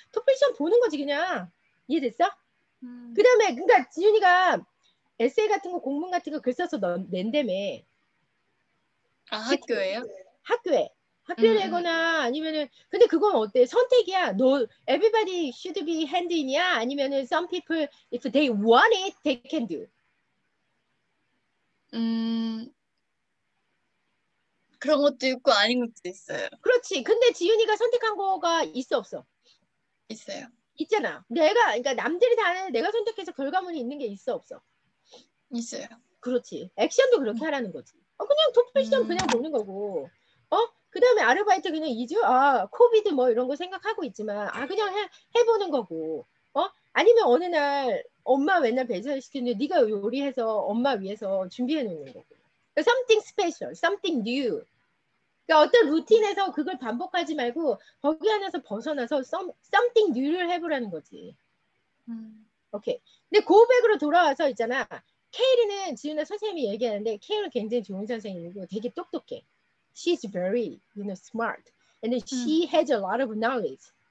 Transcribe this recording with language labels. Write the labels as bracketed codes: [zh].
[ko] 토플 시험 보는 거지 그냥. 이해됐어? 그 다음에 그러니까 지윤이가 에세이 같은 거 공문 같은 거 글 써서 낸다며. 아 학교예요? 학교에. 학교 내거나 아니면은 근데 그건 어때? 선택이야. 너 [en] everybody should be hand in이야? [ko] 아니면은 [en] some people if they want it they can do. [ko] 그런 것도 있고 아닌 것도 있어요. 그렇지. 근데 지윤이가 선택한 거가 있어 없어? 있어요. 있잖아. 내가 그러니까 남들이 다 하는 내가 선택해서 결과물이 있는 게 있어 없어? 있어요. 그렇지. 액션도 그렇게 하라는 거지. 그냥 토플 시험 그냥 보는 거고. 그 다음에 아르바이트 그냥 2주? 아, 코비드 뭐 이런 거 생각하고 있지만 아, 그냥 해보는 거고. 어? 아니면 어느 날 엄마 맨날 배설 시키는데 네가 요리해서 엄마 위해서 준비해 놓는 거고. [en] Something special, something new. [ko] 그러니까 어떤 루틴에서 그걸 반복하지 말고 거기 안에서 벗어나서 [en] something new [ko] 를 해보라는 거지. 오케이. 근데 고백으로 돌아와서 있잖아. 케일이는 지윤아 선생님이 얘기하는데 케일은 굉장히 좋은 선생님이고 되게 똑똑해. [en] She's very, you know, smart. And then she has a lot of knowledge.